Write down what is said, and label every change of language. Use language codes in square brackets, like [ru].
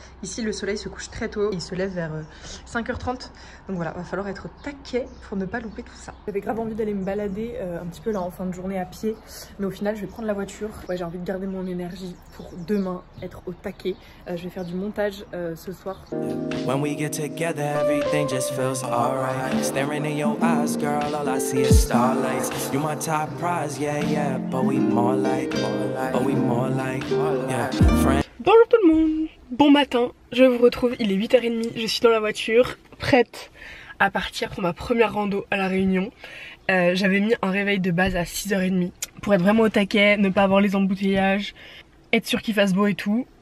[fr] Ici, le soleil se couche très tôt. Il se lève vers 5h30. Donc voilà, va falloir être taquet pour ne pas louper tout ça. J'avais grave envie d'aller me balader un petit peu là en fin de journée à pied. Mais au final, je vais prendre la voiture. Ouais, j'ai envie de garder mon énergie pour demain être au taquet. Je vais faire du montage ce soir. [en] When we get together, everything just feels alright. Staring in your eyes, girl, all I see is starlights. You're my top prize, yeah, yeah, but we more like, but we more like, yeah, friend. [fr] Bonjour tout le monde, bon matin, je vous retrouve, il est 8h30, je suis dans la voiture, prête à partir pour ma première rando à La Réunion. J'avais mis un réveil de base à 6h30 pour être vraiment au taquet, ne pas avoir les embouteillages, être sûr qu'il fasse beau et tout.